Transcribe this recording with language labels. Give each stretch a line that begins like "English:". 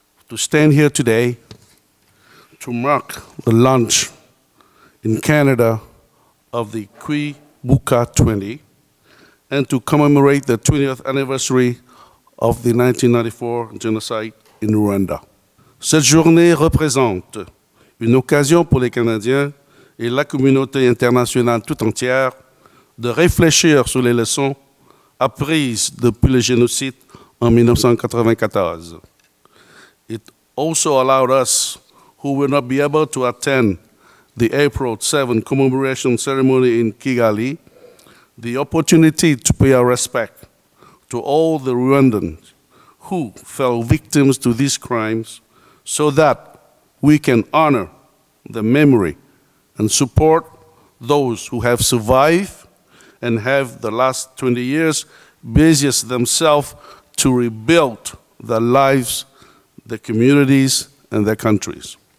English: to stand here today to mark the launch in Canada of the Kui Buka 20 and to commemorate the 20th anniversary of the 1994 genocide in Rwanda.
French: Cette journée représente une occasion pour les Canadiens et la communauté internationale tout entière de réfléchir sur les leçons apprises depuis le génocide en 1994.
English: It also allowed us who will not be able to attend the April 7 commemoration ceremony in Kigali, the opportunity to pay our respect to all the Rwandans who fell victims to these crimes so that we can honor the memory and support those who have survived and have the last 20 years busied themselves to rebuild their lives, their communities, and their countries.